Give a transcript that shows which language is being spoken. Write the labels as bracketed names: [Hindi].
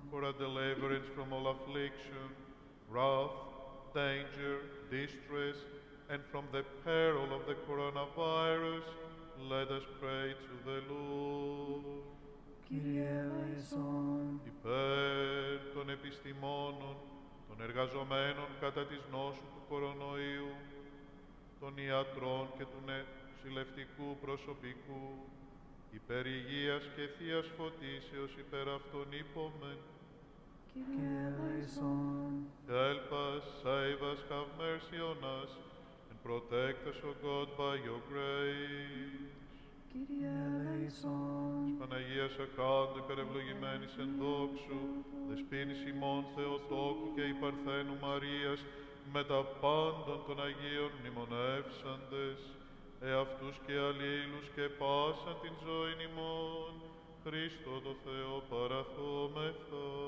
[English] For a deliverance from all affliction, wrath, danger, distress, and from the peril of the coronavirus, let us pray to the Lord. [Greek] Κύριε ελέησον. Υπέρ των επιστημόνων, των εργαζομένων κατά της νόσου του κορονοϊού, των ιατρών και του νοσηλευτικού προσωπικού, υπέρ υγείας και θείας φωτίσεως υπέρ αυτών υπόμεν. Κύριε ελέησον. [English] Help us, save us, have mercy on us, and protect us, O God, by your grace. [Greek] Κύριε ελέησον. Της Παναγίας ακράντου υπερευλογημένης εν δόξου, δεσποίνης ημών Θεοτόκου και υπαρθένου Μαρίας, μετά πάντων των Αγίων μνημονεύσαντες, εαυτούς και αλλήλους και πάσαν την ζωή ημών, Χριστό το Θεό παραθώμεθα.